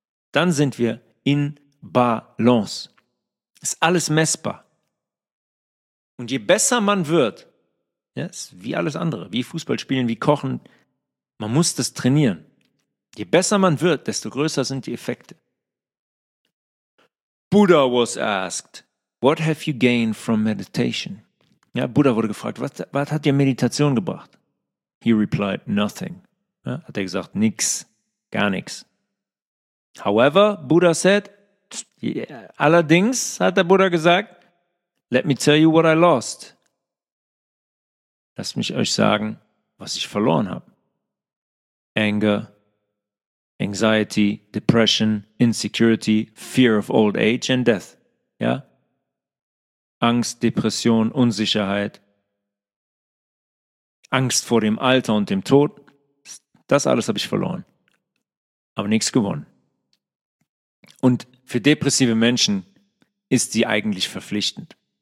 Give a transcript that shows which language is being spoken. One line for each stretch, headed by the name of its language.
German: Dann sind wir in Balance. Ist alles messbar. Und je besser man wird, ja, ist wie alles andere, wie Fußball spielen, wie kochen, man muss das trainieren. Je besser man wird, desto größer sind die Effekte.
English: Buddha was asked, what have you gained from meditation?
German: Ja, Buddha wurde gefragt, was hat dir Meditation gebracht?
English: He replied, nothing.
German: Ja, hat er gesagt, nix, gar nichts.
English: However, Buddha said,
German: allerdings hat der Buddha gesagt,
English: let me tell you what I lost.
German: Lasst mich euch sagen, was ich verloren habe.
English: Anger, anxiety, depression, insecurity, fear of old age and death.
German: Ja? Angst, Depression, Unsicherheit, Angst vor dem Alter und dem Tod. Das alles habe ich verloren. Aber nichts gewonnen. Und für depressive Menschen ist sie eigentlich verpflichtend.